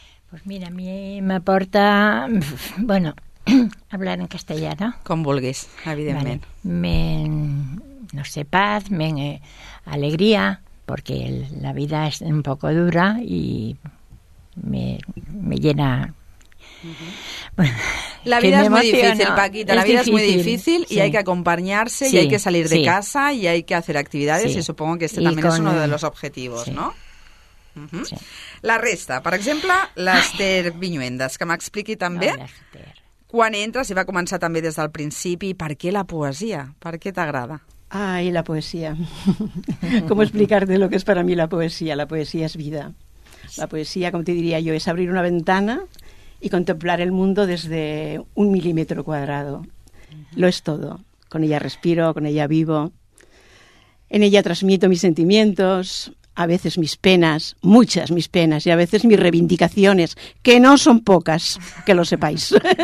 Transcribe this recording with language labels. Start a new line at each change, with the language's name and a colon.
Spanish: Pues mira,
Catalan: a mi m'aporta...
Spanish: Bueno, hablar en castellà, no?
Catalan: Com vulguis, evidentment.
Spanish: Vale.
Catalan: No sé, paz, alegria, perquè la vida és
Spanish: un poco dura
Catalan: i
Spanish: me llena... La vida es muy difícil, Paquita. La vida es muy difícil y hay que acompañarse y hay que salir de casa y hay que hacer actividades y supongo que este también es uno de los objetivos, ¿no?
Catalan: La resta, per exemple, l'Esther Viñuendas, que m'expliqui també quan entres i va començar també des del principi, per què la poesia? Per què t'agrada? Ai, la poesia.
Spanish: ¿Cómo explicarte lo que es para mí la poesía? La poesía es vida. La poesía, como te diría yo, es abrir una ventana y contemplar el mundo desde un milímetro cuadrado. Lo es todo. Con ella respiro, con ella vivo. En ella transmito mis sentimientos, a veces mis penas, muchas mis penas, y a veces mis reivindicaciones, que no son pocas, que lo sepáis.